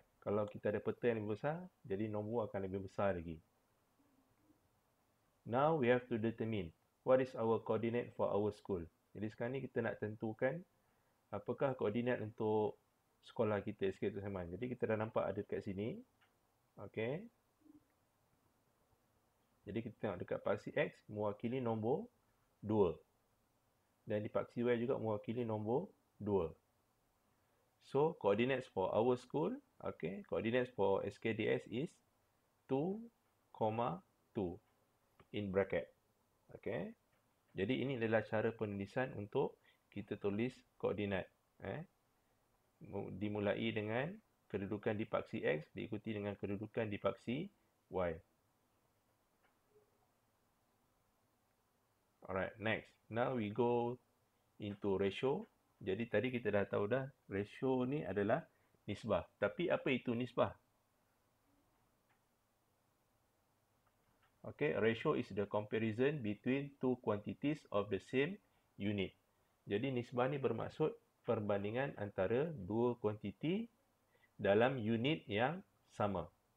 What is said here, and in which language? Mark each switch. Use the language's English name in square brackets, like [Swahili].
[Malay] Kalau kita ada peta yang lebih besar, jadi nombor akan lebih besar lagi. [English] Now we have to determine what is our coordinate for our school. [Malay] Jadi sekarang ni kita nak tentukan apakah coordinate untuk sekolah kita SK Dato' Sulaiman. Jadi kita dah nampak ada dekat sini. Okay. Jadi kita tengok dekat paksi X mewakili nombor 2. Dan di paksi Y juga mewakili nombor 2. [English] So, coordinates for our school, okay, coordinates for SKDS is 2.2 in bracket. Okay. [Malay] Jadi, ini adalah cara penulisan untuk kita tulis koordinat. Dimulai dengan kedudukan di paksi X, diikuti dengan kedudukan di paksi Y. [English] Alright, next. Now, we go into ratio. [Malay] Jadi tadi kita dah tahu dah ratio ni adalah nisbah. Tapi apa itu nisbah? [English] Okay, ratio is the comparison between two quantities of the same unit. [Malay] Jadi nisbah ni bermaksud perbandingan antara dua quantity dalam unit yang sama.